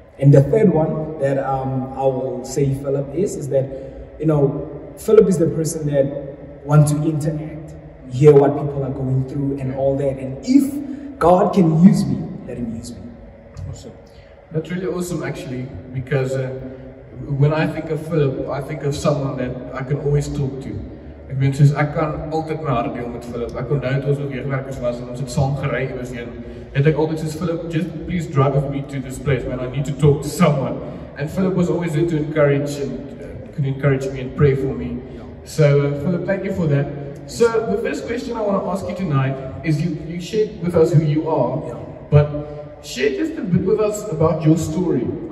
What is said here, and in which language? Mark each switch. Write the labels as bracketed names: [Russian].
[English] And the third one that I will say Philip is that, you know, Philip is the person that wants to interact, hear what people are going through and all that. And if God can use me, let him use me. Awesome. That's really awesome, actually, because when I think of Philip, I think of someone that I can always talk to. [Afrikaans] Ek meen, soos ek kan altyd my hart deel met Philip. Ek onthou toe ons nog weerwerkers was en ons het saam gery iewers heen. Het ek altyd soos [English] Philip, just please drive with me to this place, man. I need to talk to someone. And Philip was always there to encourage and could encourage me and pray for me. So Philip, thank you for that. So the first question I want to ask you tonight is you shared with us who you are, but share just a bit with us about your story.